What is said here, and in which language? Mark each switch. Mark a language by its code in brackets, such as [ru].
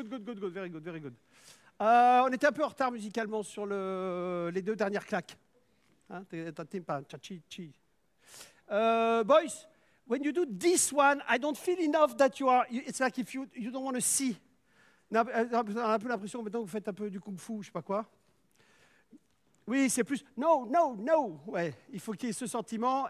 [fr] on était un peu en retard musicalement sur les deux dernières claques. [en] Boys, when you do this one, I don't feel enough that you are. It's like if you don't want to see. [fr] On a un peu l'impression maintenant que vous faites un peu du kung-fu, je sais pas quoi. Oui, c'est plus. No. Ouais, il faut qu'il y ait ce sentiment.